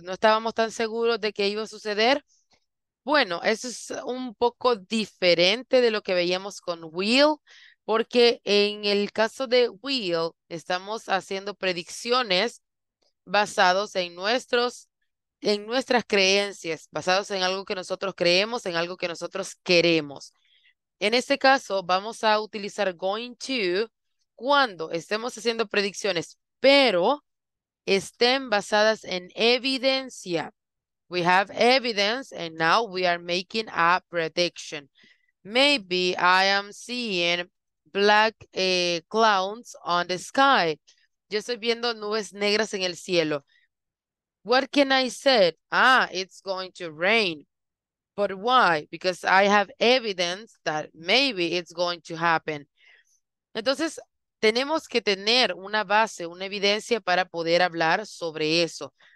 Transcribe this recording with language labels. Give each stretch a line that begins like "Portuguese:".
Spanish: ¿No estábamos tan seguros de que iba a suceder? Bueno, eso es un poco diferente de lo que veíamos con will, porque en el caso de will, estamos haciendo predicciones basados en nuestras creencias, basados en algo que nosotros creemos, en algo que nosotros queremos. En este caso, vamos a utilizar going to cuando estemos haciendo predicciones, pero estén basadas en evidencia.
English: We have evidence and now we are making a prediction. Maybe I am seeing black clouds on the sky.
Spanish: Yo estoy viendo nubes negras en el cielo.
English: What can I say? Ah, it's going to rain. But why? Because I have evidence that maybe it's going to happen.
Spanish: Entonces, tenemos que tener una base, una evidencia para poder hablar sobre eso.